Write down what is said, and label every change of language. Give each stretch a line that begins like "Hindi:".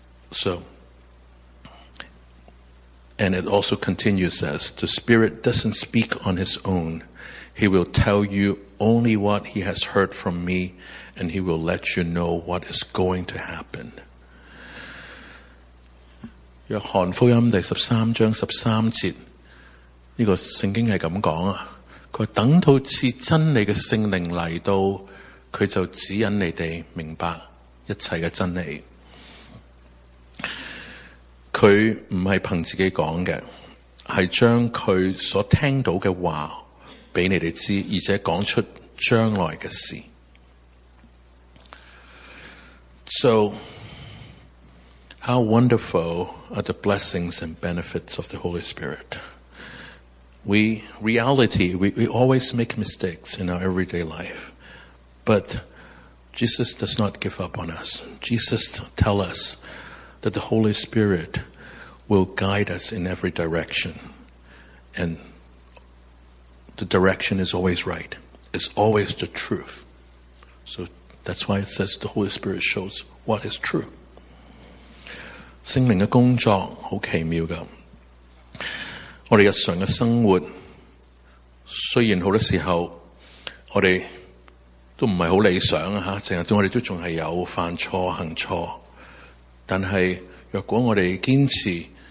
English: So, and it also continues as, the Spirit doesn't speak on his own. He will tell you only what he has heard from me, and he will let you know what is going to happen.
Chinese: 约翰福音第13章13节，这个圣经是这么讲，他说等到赐真理的圣灵来到，他就指引你们明白一切的真理。他不是凭自己讲的，是将他所听到的话给你们知，而且讲出将来的事。
English: So, how wonderful are the blessings and benefits of the Holy Spirit? We always make mistakes in our everyday life, but Jesus does not give up on us. Jesus tells us that the Holy Spirit will guide us in every direction, andThe direction is always right. It's always the truth. So that's why it says the Holy Spirit shows what is true.
Chinese: 圣灵的工作很奇妙的。我们日常的生活，虽然很多时候我们都不是很理想，经常我们都还是有犯错行错，但是如果我们坚持